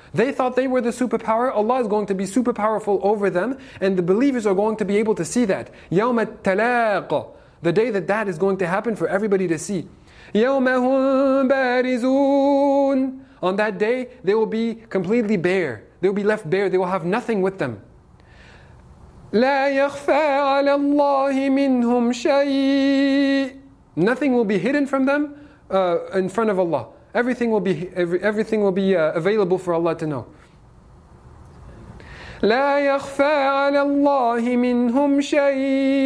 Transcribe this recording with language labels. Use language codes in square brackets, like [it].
[en] They thought they were the superpower. Allah is going to be super powerful over them, and the believers are going to be able to see that. [ar] يوم التلاق. [en] The day that that is going to happen for everybody to see. [ar] يوم هم بارزون. [en] On that day, they will be completely bare. They will be left bare. They will have nothing with them. [ar] لا يخفى على الله منهم شيء. [en] Nothing will be hidden from them. In front of Allah, everything will be available for Allah to know. [ar] لا يخفى على الله منهم شيء.